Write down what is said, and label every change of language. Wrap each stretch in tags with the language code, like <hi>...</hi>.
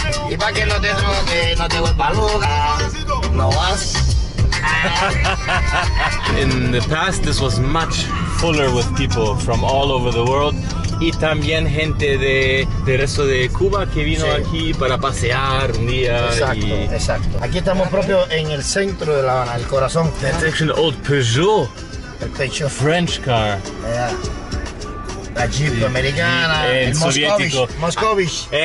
<es>Y para que no te toque, no te vuelva loca. No vas.</es> <en>In the past, this was much fuller with people from all over the world.</en> <es>Y también gente de resto de Cuba que vino aquí para pasear un día. Exacto. Aquí estamos propio en el centro de La Habana, el corazón.</es> <en>That's actually an old Peugeot.</en> <es>El Peugeot.</es> <en>French car.</en> <es>La Jeep americana. El soviético. Moscovich.</es>